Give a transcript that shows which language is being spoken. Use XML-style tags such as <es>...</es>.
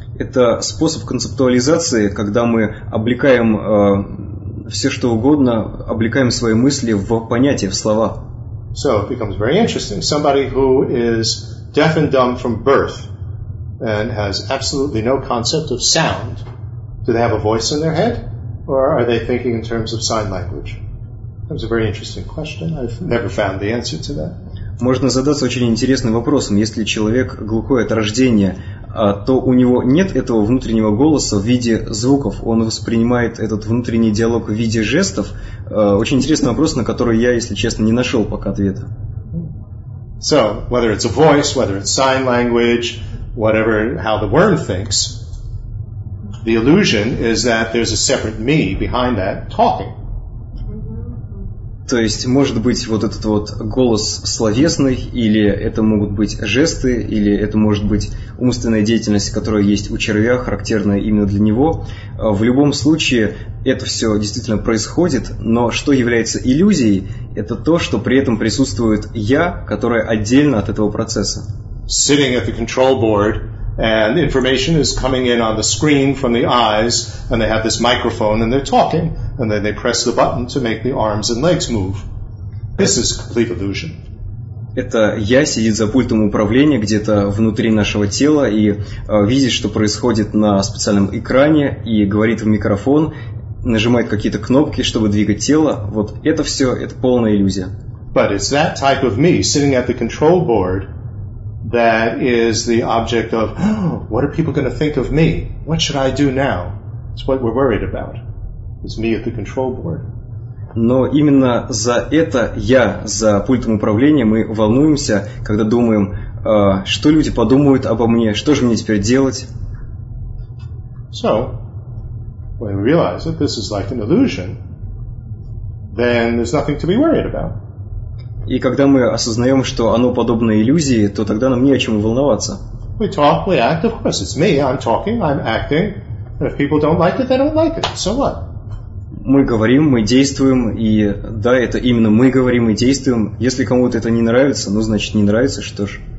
<ru>Это способ концептуализации, когда мы облекаем все что угодно, облекаем свои мысли в понятия, в слова.</ru> <en>So it becomes very interesting. Somebody who is deaf and dumb from birth and has absolutely no concept of sound, do they have a voice in their head? Or are they thinking in terms of sign language? That's a very interesting question. I've never found the answer to that.</en> <ru>Можно задаться очень интересным вопросом. Если человек глухой от рождения, то у него нет этого внутреннего голоса в виде звуков. Он воспринимает этот внутренний диалог в виде жестов. Очень интересный вопрос, на который я, если честно, не нашел пока ответа.</ru> <en>So, whether it's a voice, whether it's sign language, whatever, how the worm thinks, the illusion is that there's a separate me behind that talking.</en> <ru>То есть, может быть, вот этот вот голос словесный, или это могут быть жесты, или это может быть умственная деятельность, которая есть у червя, характерная именно для него. В любом случае, это все действительно происходит, но что является иллюзией, это то, что при этом присутствует я, которое отдельно от этого процесса.</ru> <en>Sitting at the control board, and information is coming in on the screen from the eyes, and they have this microphone, and they're talking. And then they press the button to make the arms and legs move. This is complete illusion.</en> <ru>Это я сидит за пультом управления где-то внутри нашего тела и видит, что происходит на специальном экране, и говорит в микрофон, нажимает какие-то кнопки, чтобы двигать тело. Вот это все, это полная иллюзия.</ru> <en>But it's that type of me sitting at the control board that is the object of, what are people going to think of me? What should I do now? It's what we're worried about. It's me at the control board.</en> <ru>Но именно за это я, за пультом управления, мы волнуемся, когда думаем, что люди подумают обо мне, что же мне теперь делать.</ru> <en>So, when we realize that this is like an illusion, then there's nothing to be worried about.</en> <ru>И когда мы осознаем, что оно подобно иллюзии, то тогда нам не о чем волноваться.</ru> <en>We talk, we act, of course, it's me, I'm talking, I'm acting, and if people don't like it, they don't like it, so what?</en> <ru>Мы говорим, мы действуем, и да, это именно мы говорим и действуем. Если кому-то это не нравится, ну, значит, не нравится, что ж.</ru>